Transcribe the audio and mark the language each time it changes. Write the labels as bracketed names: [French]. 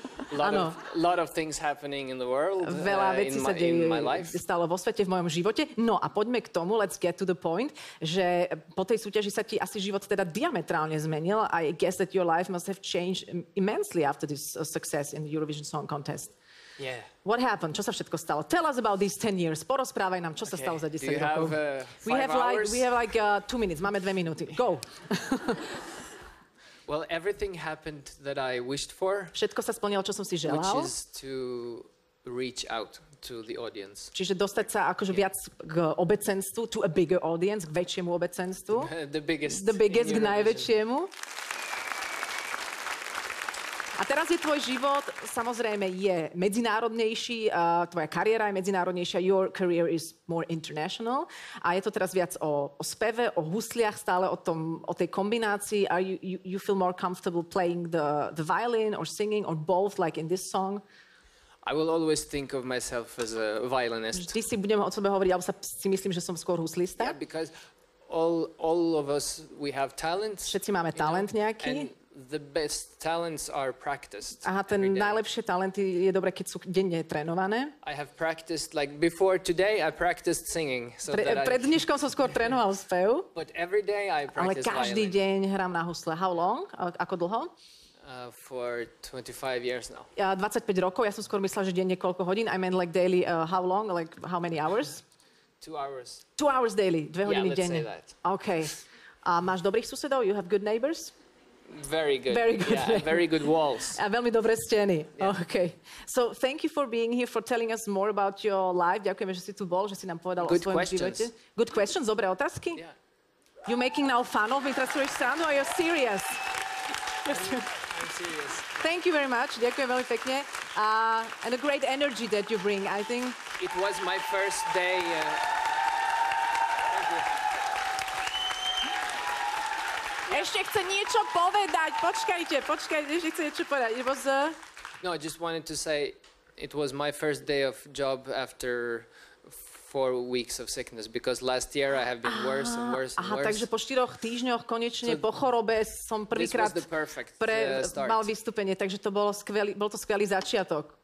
[English] A lot of things happening in the world. [Slovak] Veľa vecí sa deje. Stalo vo svete, v mojom živote. No a poďme k tomu, [English] let's get to the point, [Slovak] že po tej súťaži sa ti asi život teda diametrálne zmenil. [English] I guess that your life must have changed immensely after this success in the Eurovision Song Contest. Yeah. What happened? [Slovak] Čo sa všetko stalo? [English] Tell us about these 10 years. [Slovak] Porozprávaj nám, čo sa stalo za 10 rokov. [English] We have like 2 minutes. [Slovak] Máme 2 minúty. [English] Go. Well, everything happened that I wished for. [Slovak] Všetko sa splnilo, čo som si želal. [English] Which is to reach out to the audience. [Slovak] Čiže dostať sa akože viac k obecenstvu, [English] to a bigger audience, [Slovak] k väčšiemu obecenstvu. [English] The biggest, [Slovak] k najväčšiemu. A teraz je tvoj život, samozrejme, je medzinárodnejší, tvoja kariéra je medzinárodnejšia, [English] your career is more international. [Slovak] A je to teraz viac o speve, o husliach, stále o tej kombinácii. [English] Are you feel more comfortable playing the violin or singing or both, like in this song? I will always think of myself as a violinist. [Slovak] Vždy si budem o sebe hovoriť, alebo sa si myslím, že som skôr huslista. [English] Yeah, because all of us, we have talents. [Slovak] Všetci máme talent nejaký. [English] The best talents are practiced. [Slovak] Aha, ten najlepšie talenty je dobre, keď sú denne trénované. [English] I have practiced like before today I practiced singing. [Slovak] Pred dneškom som skôr trénoval spev. [English] But every day I practice. [Slovak] Ale každý deň hrám na husle. [English] How long? [Slovak] Ako dlho? [English] For 25 years now. [Slovak] Ja 25 rokov. Ja som skôr myslel, že denne koľko hodín. [English] I mean like daily how long? Like how many hours? 2 hours. 2 hours daily. [Slovak] 2 hodiny denne. [English] Yeah, let's say that. [Slovak] Okay. A máš dobrých susedov? [English] You have good neighbors? Very good. Yeah, very good walls. [Slovak] A veľmi dobré steny. Yeah. Okay. [English] So thank you for being here, for telling us more about your life. [Slovak] Ďakujeme, že si tu bol, že si nám povedal [English] good [Slovak] o svojom [English] questions. [Slovak] Živote. [English] Good questions, [Slovak] dobré otázky. [English] Yeah. You're making now fun of me, [Slovak] teraz sú ešte. [English] Are you serious? I'm serious. Thank you very much. [Slovak] Ďakujem veľmi pekne. [English] And a great energy that you bring, I think. It was my first day... [Slovak] Ešte chce niečo povedať. Počkajte, ešte chce niečo povedať. [English] It was No, I just wanted to say it was my first day of job after 4 weeks of sickness because last year I have been worse and worse and worse. [Slovak] Aha, takže po 4 týždňoch konečne so po chorobe som prvýkrát mal vystúpenie, takže to bolo skvelý, bol to skvelý začiatok.